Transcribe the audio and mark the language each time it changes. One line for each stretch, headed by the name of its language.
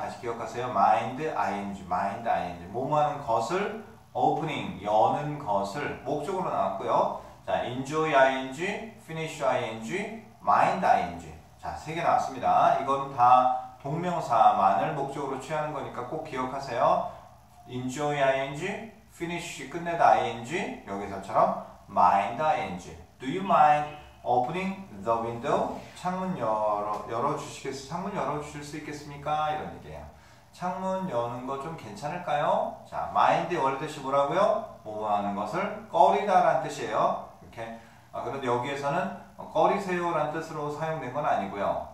Korean: 다시 기억하세요.
English: Mind, ing, mind, ing.
Korean: 뭐뭐 하는 것을, opening, 여는 것을 목적으로 나왔고요.
English: 자, enjoy ing, finish ing, mind ing.
Korean: 자, 세 개 나왔습니다. 이건 다 동명사만을 목적으로 취하는 거니까 꼭 기억하세요.
English: enjoy ing, finish
Korean: 끝내다
English: ing,
Korean: 여기서처럼
English: mind ing. Do you mind opening the window?
Korean: 창문 창문 열어주실 수 있겠습니까? 이런 얘기예요. 창문 여는 거 좀 괜찮을까요? 자, mind의 원래 뜻이 뭐라고요? 뭐하는 것을 꺼리다라는 뜻이에요. 이렇게. 아, 그런데 여기에서는 꺼리세요라는 뜻으로 사용된 건 아니고요.